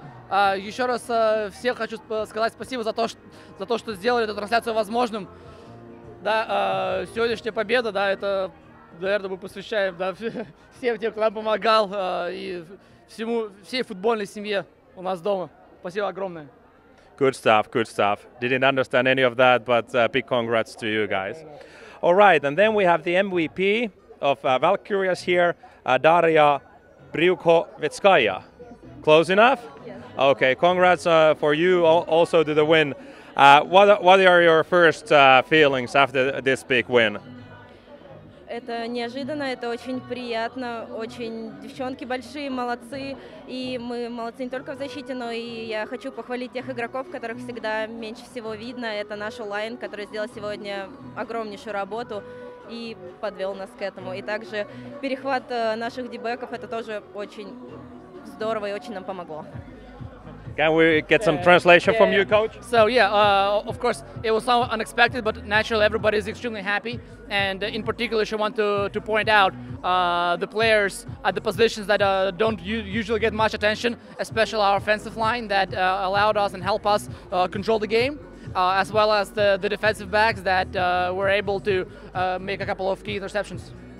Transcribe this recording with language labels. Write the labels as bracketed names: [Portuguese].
[Russian] Еще раз всем хочу сказать спасибо за то, что сделали эту трансляцию возможным. Да, сегодняшняя победа, да, это, наверное, мы посвящаем, да, всем тем, кто нам помогал, и всей футбольной семье у нас дома. Спасибо огромное. [English] Good stuff. Didn't understand any of that, but big congrats to you guys. All right, and then we have the MVP of Valkyries here, Daria Bryukhovetskaya. Close enough? Okay, congrats for you also to the win. What are your first feelings after this big win? [Russian] Это неожиданно, это очень приятно, очень девчонки большие, молодцы, и мы молодцы не только в защите, но и я хочу похвалить тех игроков, которых всегда меньше всего видно. Это наш онлайн, который сделал сегодня огромнейшую работу и подвел нас к этому. И также перехват наших дебеков, это тоже очень здорово и очень нам помогло. [English] Can we get some translation from you, coach? So, yeah, of course, it was somewhat unexpected, but naturally everybody is extremely happy. And in particular, she wants to point out the players at the positions that don't usually get much attention, especially our offensive line that allowed us and helped us control the game, as well as the defensive backs that were able to make a couple of key interceptions.